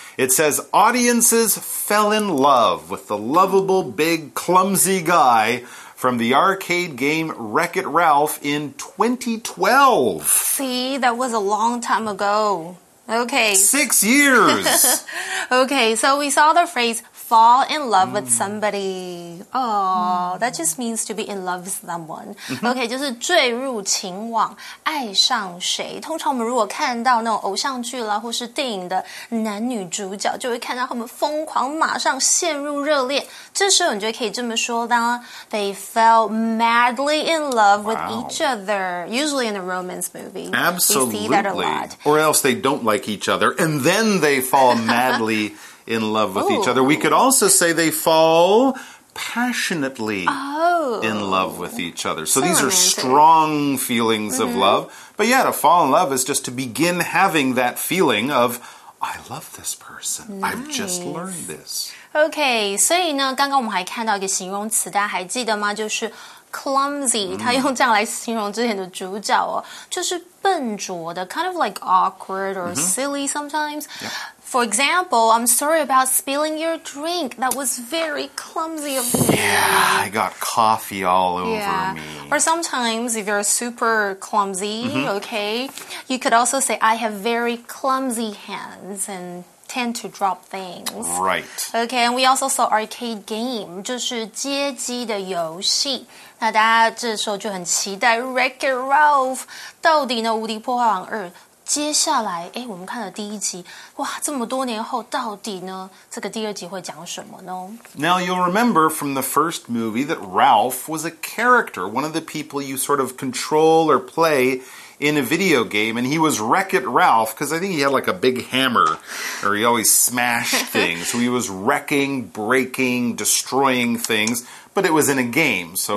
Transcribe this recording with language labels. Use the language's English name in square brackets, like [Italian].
[English] It says, audiences fell in love with the lovable, big, clumsy guy from the arcade game Wreck-It Ralph in 2012. See, that was a long time ago. Okay. 6 years. Okay, so we saw the phrase, fall in love with somebody. That just means to be in love with someone. [Chinese] Okay, 就是坠入情网，爱上谁。通常我们如果看到那种偶像剧啦，或是电影的男女主角，就会看到他们疯狂马上陷入热恋。这时候你就可以这么说啦， [English] they fell madly in love with each other, usually in a romance movie. Absolutely. We see that a lot. Or else they don't like each other, and then they fall madly in love with each other. We could also say they fall passionately in love with each other. So these are strong feelings of love. But yeah, to fall in love is just to begin having that feeling of, I love this person. Nice. I've just learned this. [Chinese] Okay, 所以呢，刚刚我们还看到一个形容词，大家还记得吗？就是clumsy, 他用这样来形容之前的主角哦，就是笨拙的 [English] kind of like awkward or silly sometimes. For example, I'm sorry about spilling your drink. That was very clumsy of me. Yeah, I got coffee all over me. Or sometimes, if you're super clumsy, okay, you could also say, I have very clumsy hands and... tend to drop things. Right. Okay, and we also saw arcade game, [Chinese] 就是街机的游戏。那大家这时候就很期待 Wreck-It Ralph 到底呢无敌破坏王二接下来，哎，我们看了第一集，哇，这么多年后，到底呢，这个第二集会讲什么呢？ [English] Now, you'll remember from the first movie that Ralph was a character, one of the people you sort of control or play in a video game, and he was Wreck-It Ralph, because I think he had like a big hammer, or he always smashed things, so he was wrecking, breaking, destroying things,But it was in a game, so